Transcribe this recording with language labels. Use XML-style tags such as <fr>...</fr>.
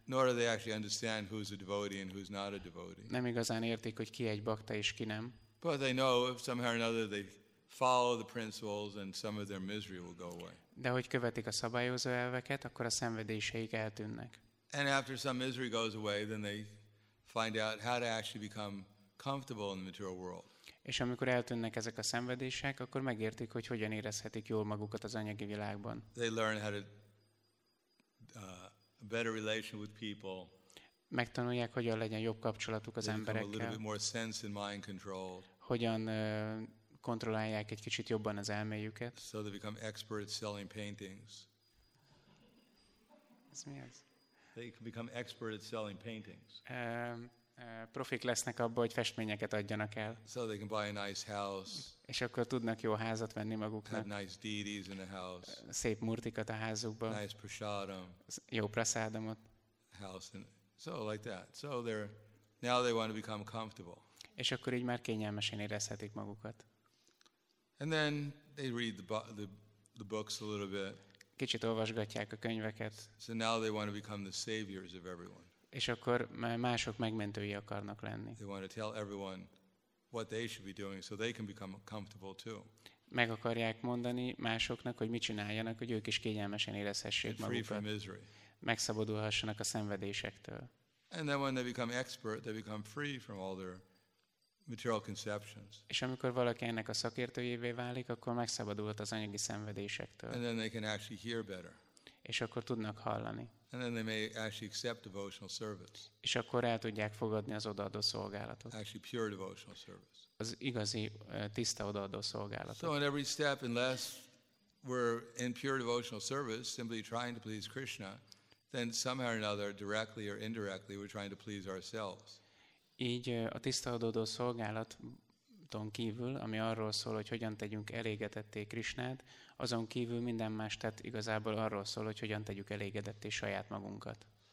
<en>Nor do they actually understand who's a devotee and who's not a devotee.</en> <hu>Nem igazán értik, hogy ki egy bakta és ki nem.</hu> <en>But they know if somehow or another they follow the principles and some of their misery will go away.</en> <hu>De hogy követik a szabályozó elveket, akkor a szenvedéseik eltűnnek.</hu> <en>And after some misery goes away, then they find out how to actually become comfortable in the material world.</en> <hu>És amikor eltűnnek ezek a szenvedések, akkor megértik, hogy hogyan érezhetik jól magukat az anyagi világban.</hu> <en>They learn how to a better relation with people.</en> <hu>Megtanulják, hogyan legyen jobb kapcsolatuk az emberekkel.</hu> <en>A little bit more sense and mind control.</en> <hu>Hogyan kontrollálják egy kicsit jobban az elméjüket.</hu> <en>So they become experts selling paintings.</en> <hu>Ez mi az?</hu> <en>They become experts at selling paintings.</en> <hu>Profik lesznek abban, hogy festményeket adjanak el.</hu> <en>So they can buy a nice house.</en> <hu>És akkor tudnak jó házat venni maguknak.</hu> <en>Have nice deities in the house.</en> <hu>Szép murtikat a házukba.</hu> <en>Nice prasadam.</en> <hu>Jó prasadamot.</hu> <en>House and so like that. So they're now they want to become comfortable.</en> <hu>És akkor így már kényelmesen érezhetik magukat.</hu> <en>And then they read the books a little bit.</en> <hu>Kicsit olvasgatják a könyveket.</hu> <en>So now they want to become the saviors of everyone.</en> <hu>És akkor mások megmentői akarnak lenni.</hu> <en>They want to tell everyone what they should be doing so they can become comfortable too.</en> <hu>Meg akarják mondani másoknak, hogy mit csináljanak, hogy ők is kényelmesen érezhessék magukat. Megszabadulhassanak a szenvedésektől.</hu> <en>And then when they become expert, they become free from all their material conceptions.</en> <hu>És amikor valaki ennek a szakértőjévé válik, akkor megszabadulhat az anyagi szenvedésektől.</hu> <en>And then they can actually hear better.</en> <hu>És akkor tudnak hallani.</hu> <en>And then they may actually accept devotional service.</en> <hu>És akkor el tudják fogadni az odaadó szolgálatot.</hu> <en>Actually pure devotional service.</en> <hu>Az igazi tiszta odaadó szolgálatot.</hu> <en>So on every step, unless we're in pure devotional service, simply trying to please Krishna, then somehow or another, directly or indirectly, we're trying to please ourselves.</en> <hu>Így a tiszta odaadó szolgálaton kívül, ami arról szól, hogy hogyan tegyünk elégedetté Krishnát, azon kívül minden más tett igazából arról szól, hogy hogyan tegyük elégedetté saját magunkat.</hu>